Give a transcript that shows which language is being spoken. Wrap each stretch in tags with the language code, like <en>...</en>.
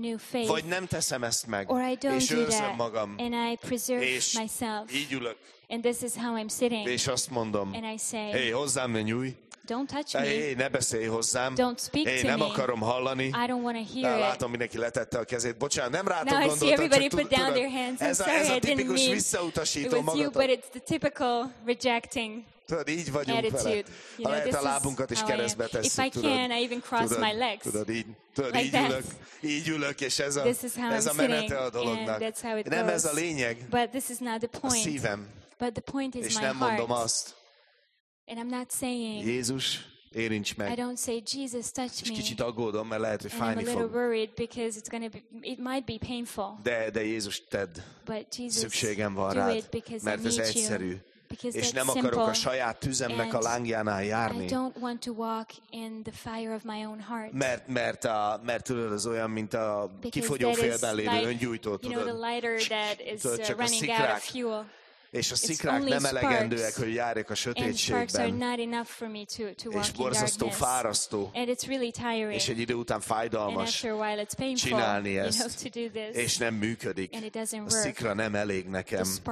<hu>Vagy nem teszem ezt meg, és őrzöm magam, és így ülök. És azt mondom, hey, hozzám ne nyúj.</hu> <en>Don't touch me.</en> <hu>Hey, ne beszélj hozzám.</hu> <en>Don't speak hey, to</en> <hu>nem</hu> <en>me.</en> <hu>Akarom hallani.</hu> <en>I don't want to hear it.</en> <hu>Látom, mindenki letette a kezét. Bocsánat, nem rátok gondoltam.</hu> <en>Now I see everybody put down their hands. I'm sorry, I didn't mean.</en> <hu>Ez a tipikus visszautasító magatartás.</hu> <en>It was you, but it's the typical rejecting attitude.</en> <hu>Tudod, így vagyunk vele. Ha lehet a lábunkat is keresztbe tesszük.</hu> <en>If I can, I even cross my legs.</en> <hu>Tudod, így. Tudod, így ülök. Így ülök, és ez a menete a dolognak. Nem ez a lényeg.</hu> <en>But this is not the point.</en> <hu>A szívem.</hu> <en>But the point is my heart.</en> <hu>És nem mondom azt.</hu> <en>And I'm not saying,</en> <hu>Jézus, érints meg.</hu> <en>I don't say, Jesus, touch me.</en> <hu>És kicsit aggódom, mert lehet, hogy fájni fog.</hu> <en>I'm a little worried because it's gonna be, it might be painful.</en> <hu>De Jézus, tedd.</hu> <en>But Jesus,</en> <hu>szükségem van rád, mert ez egyszerű.</hu> <en>Because</en> <hu>és nem akarok a saját tüzemnek a lángjánál járni.</hu> <en>I don't want to walk in the fire of my own heart.</en> <hu>Mert tudod, az olyan, mint a kifogyó félben lévő öngyújtó, tudod.</hu> <en>You know, the lighter that is running out of fuel.</en> <hu>És a szikrák nem elegendőek, hogy járjak a sötétségben. És borzasztó, fárasztó.</hu> <en>Really,</en> <hu>és egy idő után fájdalmas csinálni ezt.</hu> <en>You know,</en> <hu>és nem működik. A szikra nem elég nekem.</hu>